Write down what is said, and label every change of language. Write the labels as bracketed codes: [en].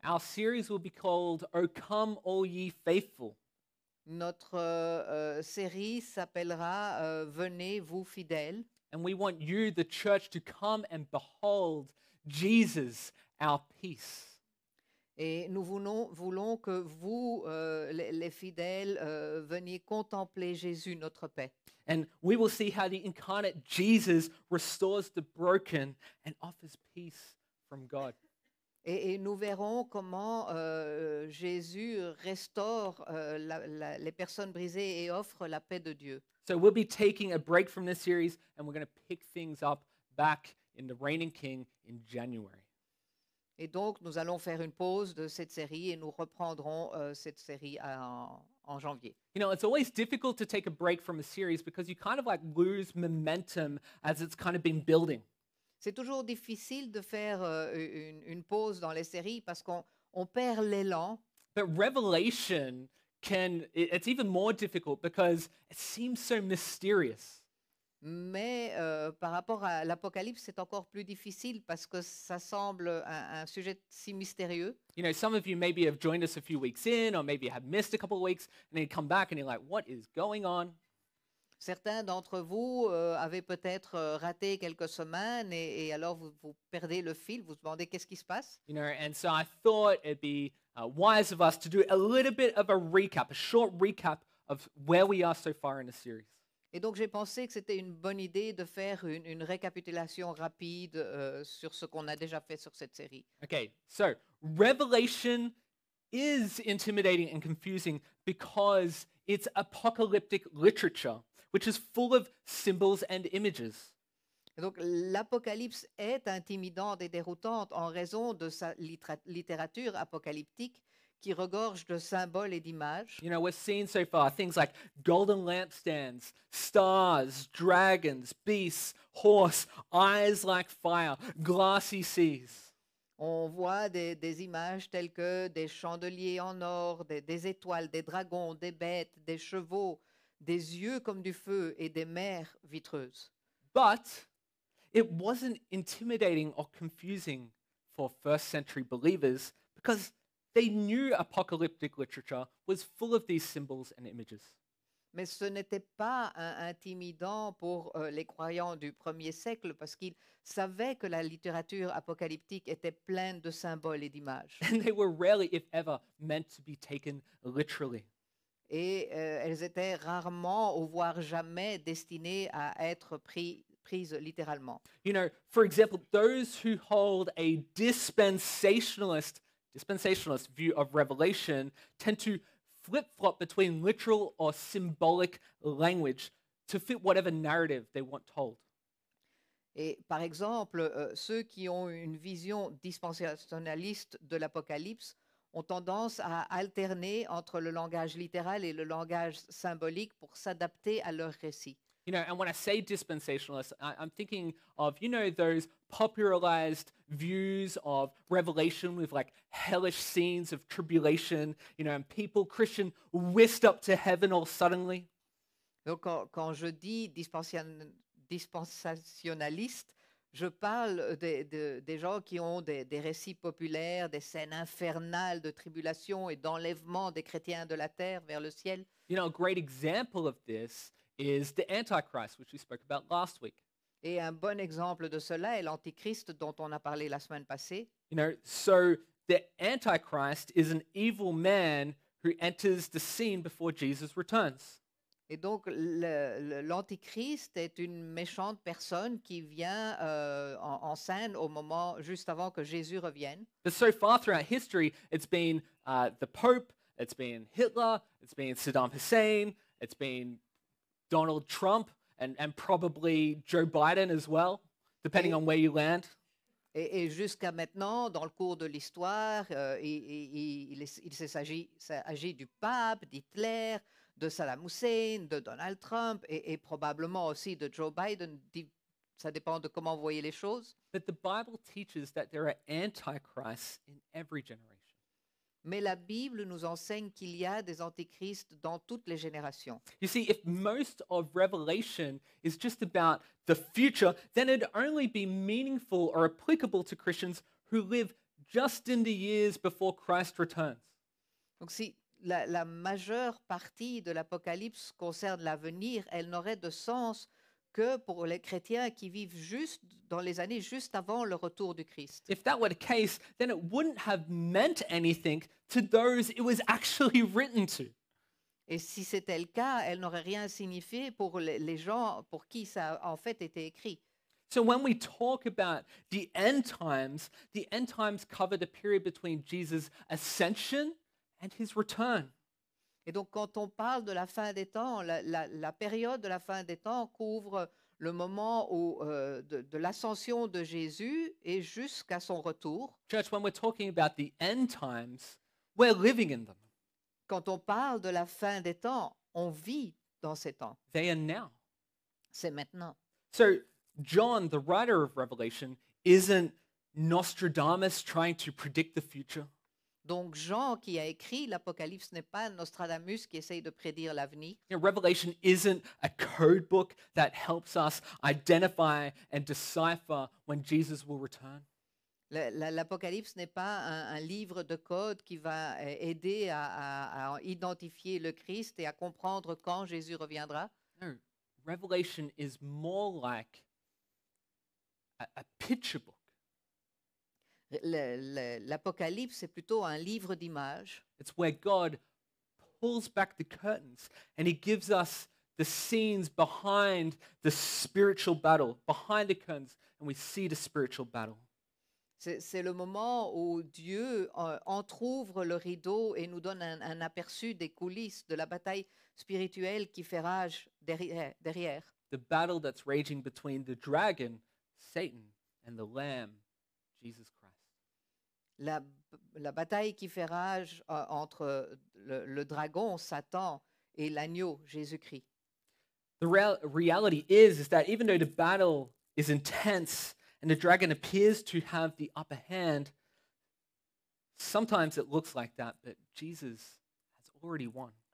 [en] Our series will be called O Come All Ye Faithful. [fr] Notre série s'appellera Venez vous fidèles. [en] And we want you, the church, to come and behold Jesus, our peace. [fr] Et nous voulons que vous, les fidèles, veniez contempler Jésus, notre paix. [en] And we will see how the incarnate Jesus restores the broken and offers peace from God. [fr] Et nous verrons comment Jésus restaure les personnes brisées et offre la paix de Dieu. [en] So we'll be taking a break from this series and we're going to pick things up back in the Reigning King in January. [fr] Et donc nous allons faire une pause de cette série et nous reprendrons cette série en janvier. [en] You know, it's always difficult to take a break from a series because you kind of like lose momentum as it's kind of been building. [fr] C'est toujours difficile de faire une pause dans les séries parce qu'on perd l'élan. [en] But Revelation can, it's even more difficult because it seems so mysterious. [fr] Mais par rapport à l'Apocalypse, c'est encore plus difficile parce que ça semble un sujet si mystérieux. [en] You know, some of you maybe have joined us a few weeks in, or maybe have missed a couple of weeks, and then you come back and you're like, what is going on? [fr] Certains d'entre vous avaient peut-être raté quelques semaines et alors vous perdez le fil, vous vous demandez qu'est-ce qui se passe. [en] You know, and so I thought it'd be wise of us to do a little bit of a recap, a short recap of where we are so far in the series. [fr] Et donc j'ai pensé que c'était une bonne idée de faire une récapitulation rapide sur ce qu'on a déjà fait sur cette série. [en] Okay, so Revelation is intimidating and confusing because it's apocalyptic literature, which is full of symbols and images. [fr] Et donc l'Apocalypse est intimidante et déroutante en raison de sa littérature apocalyptique qui regorge de symboles et d'images. [en] You know, we've seen so far things like golden lampstands, stars, dragons, beasts, horse, eyes like fire, glassy seas. [fr] On voit des images telles que des chandeliers en or, des étoiles, des dragons, des bêtes, des chevaux, des yeux comme du feu et des mers vitreuses. [en] But it wasn't intimidating or confusing for first century believers because they knew apocalyptic literature was full of these symbols and images. [fr] Mais ce n'était pas intimidant pour les croyants du 1er siècle parce qu'ils savaient que la littérature apocalyptique était pleine de symboles et d'images. [en] And they were rarely, if ever, meant to be taken literally. [fr] Et elles étaient rarement, ou voire jamais, destinées à être prises littéralement. [en] You know, for example, those who hold a dispensationalist view of Revelation tend to flip-flop between literal or symbolic language to fit whatever narrative they want told. [fr] Et par exemple, ceux qui ont une vision dispensationaliste de l'Apocalypse ont tendance à alterner entre le langage littéral et le langage symbolique pour s'adapter à leur récit. [en] You know, and when I say dispensationalist, I'm thinking of, you know, those popularized views of Revelation with like hellish scenes of tribulation, you know, and people, Christian, whisked up to heaven all suddenly. [fr] Donc, quand je dis dispensationaliste, je parle des gens qui ont des récits populaires, des scènes infernales de tribulation et d'enlèvement des chrétiens de la terre vers le ciel. [en] You know, a great example of this is the Antichrist, which we spoke about last week. [fr] Et un bon exemple de cela est l'Antichrist dont on a parlé la semaine passée. [en] You know, so the Antichrist is an evil man who enters the scene before Jesus returns. [fr] Et donc l'Antichrist est une méchante personne qui vient en scène au moment juste avant que Jésus revienne. [en] But so far throughout history, it's been the Pope, it's been Hitler, it's been Saddam Hussein, it's been Donald Trump and probably Joe Biden as well, depending on where you land. [fr] Et jusqu'à maintenant, dans le cours de l'histoire, il s'agit du pape, d'Hitler, de Saddam Hussein, de Donald Trump et probablement aussi de Joe Biden. Ça dépend de comment vous voyez les choses. [en] But the Bible teaches that there are antichrists in every generation. [fr] Mais la Bible nous enseigne qu'il y a des antichrists dans toutes les générations. [en] You see, if most of Revelation is just about the future, then it'd only be meaningful or applicable to Christians who live just in the years before Christ returns. [fr] Donc si la majeure partie de l'Apocalypse concerne l'avenir, elle n'aurait de sens que pour les chrétiens qui vivent juste dans les années juste avant le retour du Christ. [en] If that were the case, then it wouldn't have meant anything to those it was actually written to. [fr] Et si c'était le cas, elle n'aurait rien signifié pour les gens pour qui ça a en fait été écrit. [en] So when we talk about the end times cover the period between Jesus' ascension and his return. [fr] Et donc quand on parle de la fin des temps, la période de la fin des temps couvre le moment où de l'ascension de Jésus et jusqu'à son retour. [en] Church, when we're talking about the end times, we're living in them. [fr] Quand on parle de la fin des temps, on vit dans ces temps. [en] They are now. [fr] C'est maintenant. So [en] John, the writer of Revelation, isn't Nostradamus trying to predict the future. [fr] Donc Jean qui a écrit l'Apocalypse n'est pas Nostradamus qui essaye de prédire l'avenir. [en] You know, Revelation isn't a code book that helps us identify and decipher when Jesus will return. [fr] L'Apocalypse n'est pas un livre de code qui va aider à identifier le Christ et à comprendre quand Jésus reviendra. [en] No, Revelation is more like a picture book. [fr] L'Apocalypse est plutôt un livre d'images. [en] It's where God pulls back the curtains and he gives us the scenes behind the spiritual battle, behind the curtains, and we see the spiritual battle. [fr] C'est le moment où Dieu entr'ouvre le rideau et nous donne un aperçu des coulisses de la bataille spirituelle qui fait rage derrière. [en] The battle that's raging between the dragon, Satan, and the Lamb, Jesus Christ. [fr] La bataille qui fait rage entre le dragon, Satan, et l'agneau, Jésus-Christ. [en] The reality is that even though the battle is intense and the dragon appears to have the upper hand, sometimes it looks like that, but Jesus has already won.